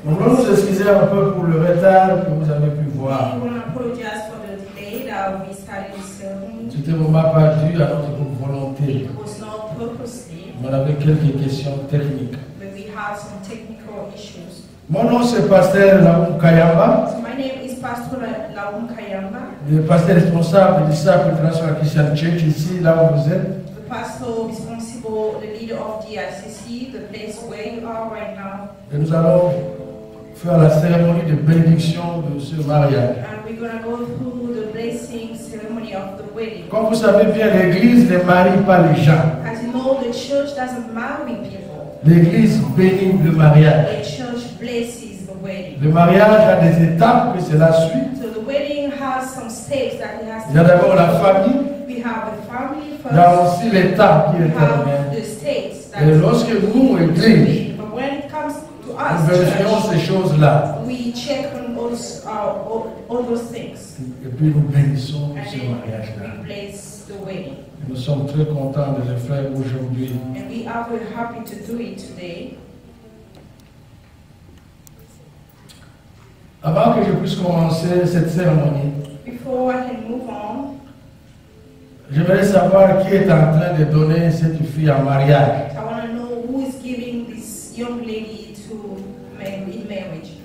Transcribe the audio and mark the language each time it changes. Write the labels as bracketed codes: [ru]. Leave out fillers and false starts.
[fr] Nous voulons nous excuser un peu pour le retard que vous avez pu voir. [en] We will apologize for the delay that we started the ceremony. [fr] C'était vraiment pas dû à notre volonté. [en] It was not purposely. [fr] On avait quelques questions techniques. [en] But we have some technical issues. [fr] Mon nom c'est Pasteur Laoum Kayamba. [en] So my name is Pastor Laoum Kayamba. [fr] Le pasteur responsable du Disciple International Christian Church ici là où vous êtes. [en] The pastor responsible, the leader of the ICC, the place where you are right now. [fr] Et nous allons faire la cérémonie de bénédiction de ce mariage. [en] And we're gonna go through the blessing ceremony of the wedding. [fr] Comme vous savez bien, l'Église ne marie pas les gens. [en] As you know, the church doesn't marry people. [fr] L'Église bénit le mariage. [en] The wedding. [fr] Le mariage a des étapes que cela suit. [en] So the wedding has some steps that it has to. [fr] Il y a d'abord la famille. [en] We have a family first. [fr] Il y a aussi l'état qui est [en] terminé. The states. [fr] Et lorsque vous l'Église, [en] but when it comes to us, [fr] nous vérifions ces choses-là. [en] We check on all those things. [fr] Et puis nous bénissons ce mariage-là. [en] And we bless the wedding. [fr] Et nous sommes très contents de le faire aujourd'hui. [en] And we are very happy to do it today. [fr] Avant que je puisse commencer cette cérémonie, [en] before I can move on, [fr] je voudrais savoir qui est en train de donner cette fille en mariage. [en] I want to know who is giving this young lady to in marriage.